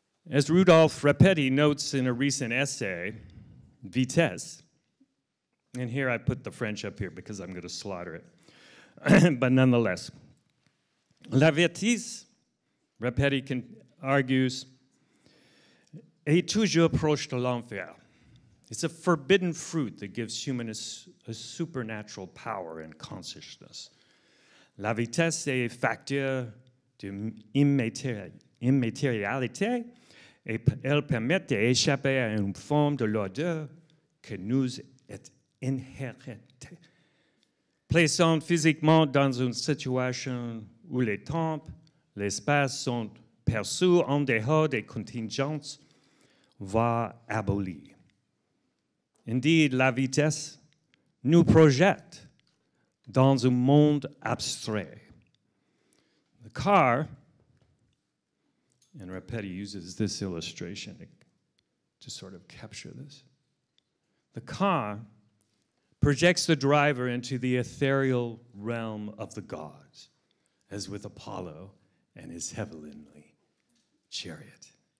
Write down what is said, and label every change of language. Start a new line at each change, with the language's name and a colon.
English: As Rudolf Rapetti notes in a recent essay, Vitesse, and here I put the French up here because I'm going to slaughter it, but nonetheless,
French: la vitesse,
English: Rapetti argues,
French: est toujours proche de l'enfer.
English: It's a forbidden fruit that gives humanists a supernatural power and consciousness.
French: La vitesse est facteur d'immatérialité et elle permet d'échapper à une forme de l'odeur que nous est inhérente. Plaçant physiquement dans une situation où les temps, l'espace sont perçus en dehors des contingences, voire abolis.
English: Indeed,
French: la vitesse nous projette dans un monde abstrait.
English: The car, and Rapetti uses this illustration to sort of capture this, the car projects the driver into the ethereal realm of the gods, as with Apollo and his heavenly chariot.